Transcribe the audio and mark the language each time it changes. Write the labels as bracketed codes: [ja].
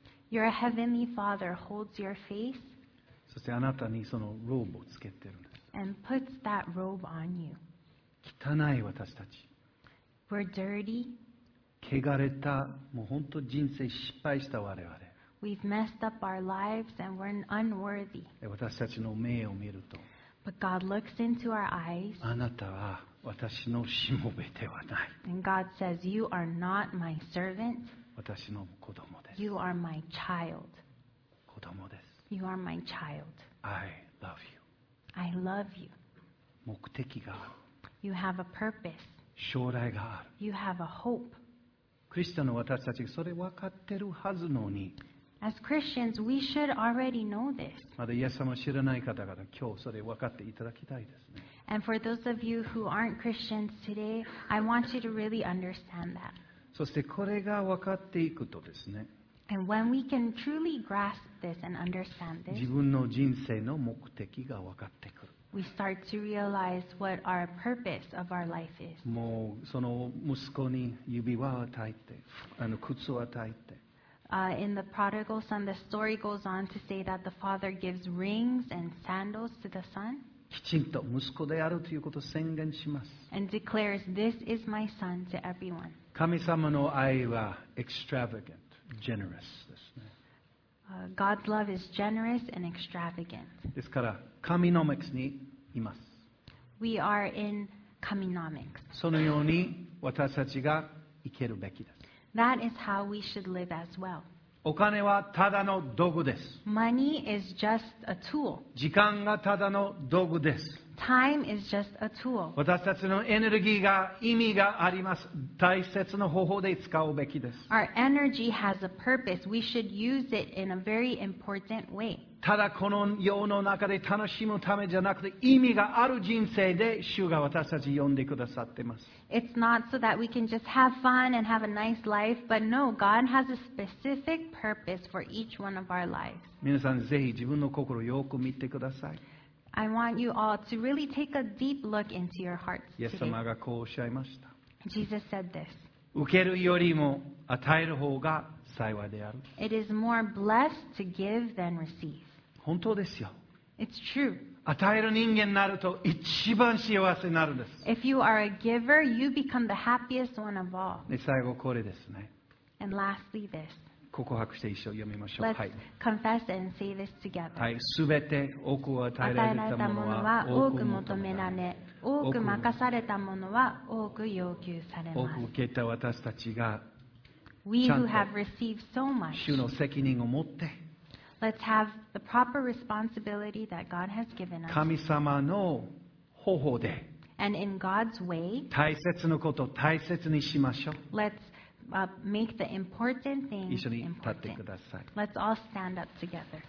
[en] Your heavenly father holds your face. [ja] そしてあなたにそのローブをつけてるんです。 [en] And puts that robe on you. [ja] 汚い私たち。 [en] We're dirty. [ja] 汚れた、もう本当人生失敗した我々。 [en] We've messed up our lives and we're unworthy. [ja] 私たちの目を見ると。 [en] But God looks into our eyes. [ja] あなたは私のしもべではない。 [en] And God says, you are not my servant. [ja] 私の子供です。 [en] You are my child. [ja] 子供です。 [en] You are my child. I love you. I love you. [ja] 目的がある。 [en] You have a purpose. [ja] 将来がある。 [en] You have a hope. [ja] クリスチャンの私たちがそれ分かってるはずのに。 [en] As Christians, we should already know this. [ja] まだイエス様を知らない方々、今日それ分かっていただきたいですね。 [en] And for those of you who aren't Christians today, I want you to really understand that. [ja] そしてこれが分かっていくとですね。 [en] And when we can truly grasp this and understand this, [ja] 自分の人生の目的が分かってくる。 [en] We start to realize what our purpose of our life is. [ja] もうその息子に指輪を与えて、あの靴を与えて。 [en] In the prodigal son, the story goes on to say that the father gives rings and sandals to the son. [ja] きちんと息子であるということを宣言します。 [en] And declares, "This is my son to everyone." [ja] 神様の愛は [en] extravagant, generous [ja] ですね。 [en] God's love is generous and extravagant. [ja] ですから、Communomics にいます。 [en] We are in Communomics. [ja] そのように私たちが生けるべきです。 [en] That is how we should live as well. [ja] お金はただの道具です。 [en] Money is just a tool. [ja] 時間がただの道具です。 [en] Time is just a tool. [ja] 私たちのエネルギーが意味があります。大切な方法で使うべきです。 [en] Our energy has a purpose. We should use it in a very important way. [ja] ただこの世の中で楽しむためじゃなくて意味がある人生で主が私たち呼んでくださってます。 [en] It's not so that we can just have fun and have a nice life, but no, God has a specific purpose for each one of our lives. [ja] 皆さんぜひ自分の心をよく見てください。 [en] I want you all to really take a deep look into your hearts today. [ja] イエス様がこうおっしゃいました。 [en] Jesus said this. [ja] 受けるよりも与える方が幸いである。 [en] It is more blessed to give than receive. [ja] 本当ですよ。 [en] It's true. [ja] 与える人間になると一番幸せになるんです。 [en] If you are a giver, you become the happiest one of all. [ja] で、最後これですね。 [en] And lastly this. [ja] 告白して一緒読みましょう。 [en] Let's confess and say this together. [ja] はい、すべて多くを与えられたものは多く求められ、多く任されたものは多く要求されます。多く受けた私たちが、 [en] We who have received so much, [ja] 主の責任を持って、 [en] Let's have the proper responsibility that God has given us. [ja] 神様の方法で、 [en] And in God's way, [ja] 大切なことを大切にしましょう。 [en] Let's make the important things important. [ja] 一緒に立ってください。 [en] Let's all stand up together.